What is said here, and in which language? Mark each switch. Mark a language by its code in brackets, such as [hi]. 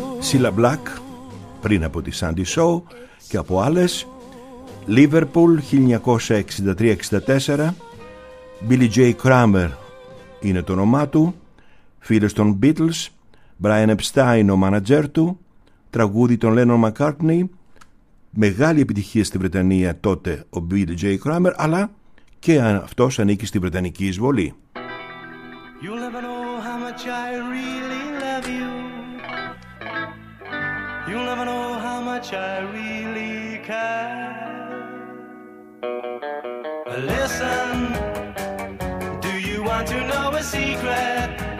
[el] Cilla Black, πριν από τη Sandy Show και από άλλες, Liverpool 1963-64, Billy J. Kramer είναι το όνομά του, φίλος των Beatles, Brian Epstein ο μάνατζέρ του, τραγούδι των Lennon McCartney, μεγάλη επιτυχία στη Βρετανία τότε ο Billy J. Kramer, αλλά και αυτός ανήκει στη Βρετανική εισβολή. [en] You'll never know how much I really love you. You'll never know how much I really care. Listen, do you want to know a secret?